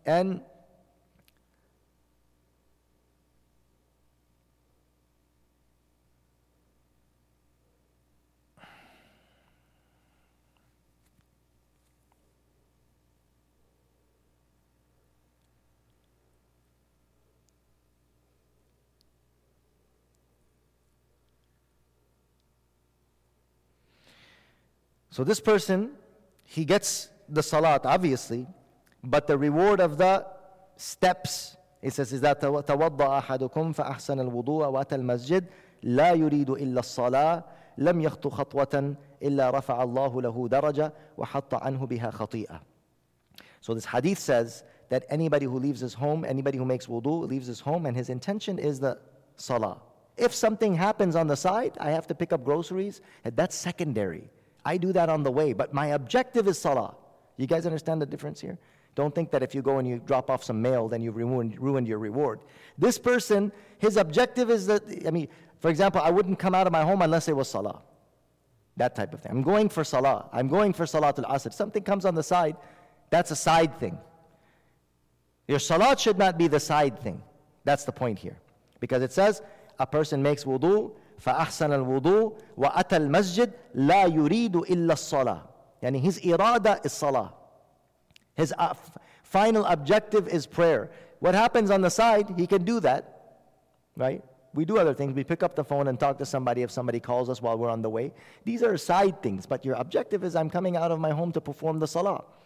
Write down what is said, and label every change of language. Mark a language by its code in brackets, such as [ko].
[en] And so this person, he gets the salat, obviously, but the reward of the steps, he says, is that [ar] تَوَضَّ أَحَدُكُمْ فَأَحْسَنَ الْوُضُوءَ وَأَتَى الْمَسْجِدِ لَا يُرِيدُ إِلَّا الصَّلَاةَ لَمْ يَخْطُ خَطْوَةً إِلَّا رَفَعَ اللَّهُ لَهُ دَرَجَةً وَحَطَّ عَنْهُ بِهَا خَطِيئَةً. [en] So this hadith says that anybody who leaves his home, anybody who makes wudu, leaves his home, and his intention is the salah. If something happens on the side, I have to pick up groceries, that's secondary. I do that on the way, but my objective is salah. You guys understand the difference here? Don't think that if you go and you drop off some mail, then you've ruined your reward. This person, his objective is that, I mean, for example, I wouldn't come out of my home unless it was salah. That type of thing. I'm going for salah. I'm going for salatul asr. Something comes on the side, that's a side thing. Your salat should not be the side thing. That's the point here. Because it says, a person makes wudu, [ar] فَأَحْسَنَ الْوُضُوءَ وَأَتَى الْمَسْجِدَ لَا يُرِيدُ إِلَّا الصَّلَاةِ. [en] Yani his irada is salah. His final objective is prayer. What happens on the side, he can do that. Right? We do other things. We pick up the phone and talk to somebody if somebody calls us while we're on the way. These are side things. But your objective is, I'm coming out of my home to perform the salah.